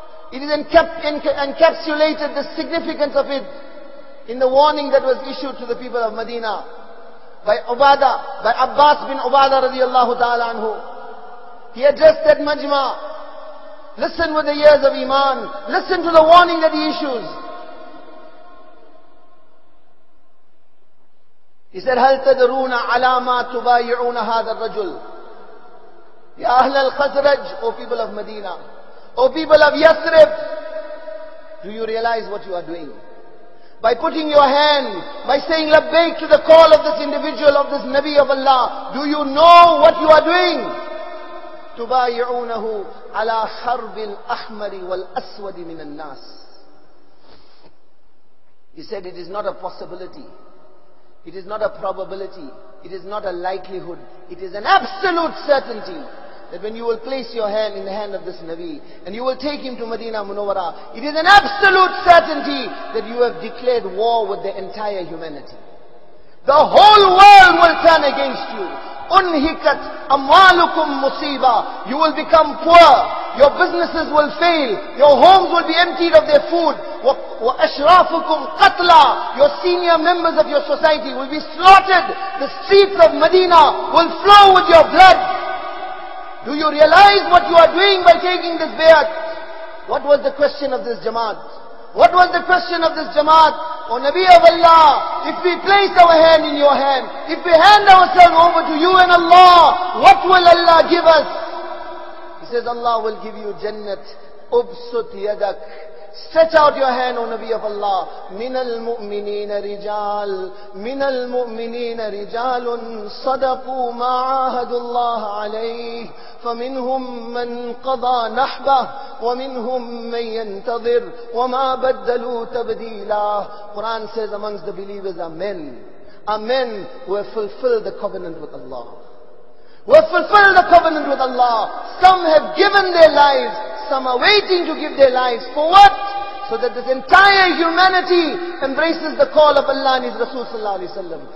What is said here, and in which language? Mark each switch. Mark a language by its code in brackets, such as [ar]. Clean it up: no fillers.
[en] it is encapsulated, the significance of it, in the warning that was issued to the people of Medina by Ubadah, by Abbas bin Ubadah radiallahu ta'ala anhu. He addressed that majma. Listen with the ears of Iman. Listen to the warning that he issues. He said, [ar] هَلْ تَدْرُونَ عَلَى مَا تُبَايِعُونَ هَذَا الرَّجُلِ. Ya Ahl al-Khazraj, [en] O people of Medina, O people of Yathrib, do you realize what you are doing? By putting your hand, by saying labbaik to the call of this individual, of this Nabi of Allah, do you know what you are doing? [ar] تبايعونه على حرب الأحمر والأسود من الناس. [en] He said, it is not a possibility, it is not a probability, it is not a likelihood, it is an absolute certainty that when you will place your hand in the hand of this Nabi and you will take him to Medina Munawwara, it is an absolute certainty that you have declared war with the entire humanity. The whole world will turn against you. [ar] Unhikat amwalukum musiba. [en] You will become poor. Your businesses will fail. Your homes will be emptied of their food. [ar] Wa ashrafukum qatla. [en] Your senior members of your society will be slaughtered. The streets of Medina will flow with your blood. Do you realize what you are doing by taking this bayat? What was the question of this jamaat? What was the question of this jamaat? O Nabi of Allah, if we place our hand in your hand, if we hand ourselves over to you and Allah, what will Allah give us? He says, Allah will give you Jannat. [ar] Ubsut yadak. [en] Stretch out your hand, O Nabi of Allah. [ar] من المؤمنين رجال من المؤمنين رجال صدقوا ما عاهدوا الله عليه فمنهم من قضى نحبه ومنهم من ينتظر وما بدلوا تبديلا. [en] Quran says amongst the believers are men. Are men who have fulfilled the covenant with Allah. Who have fulfilled the covenant with Allah. Some have given their lives. Some are waiting to give their lives. For what? So that this entire humanity embraces the call of Allah and His Rasul sallallahu alayhi wa sallam.